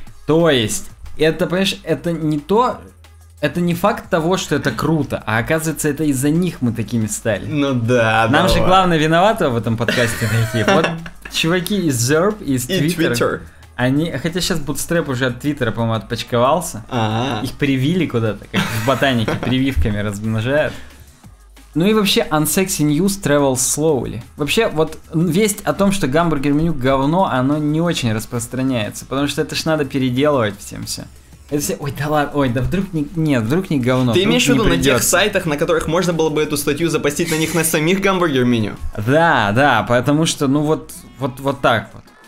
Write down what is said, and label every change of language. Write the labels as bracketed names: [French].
[Russian] То есть, это, понимаешь, это не то... Это не факт того, что это круто, а оказывается, это из-за них мы такими стали. Ну да, да. Нам же главное виноватого в этом подкасте найти. Вот чуваки из Zerb, из Twitter. Они, хотя сейчас Bootstrap уже от Твиттера, по-моему, отпочковался. Их привили куда-то, как в ботанике, прививками размножают. Ну и вообще, [English] Unsexy News Travels Slowly. [Russian] Вообще, вот весть о том, что гамбургер-меню говно, оно не очень распространяется. Потому что это ж надо переделывать всем все. Это все, ой, да ладно, ой, да вдруг не, нет, вдруг не говно. Ты имеешь в виду на тех сайтах, на которых можно было бы эту статью запостить, на них на самих гамбургер меню? Да, да, потому что, ну вот, вот так вот.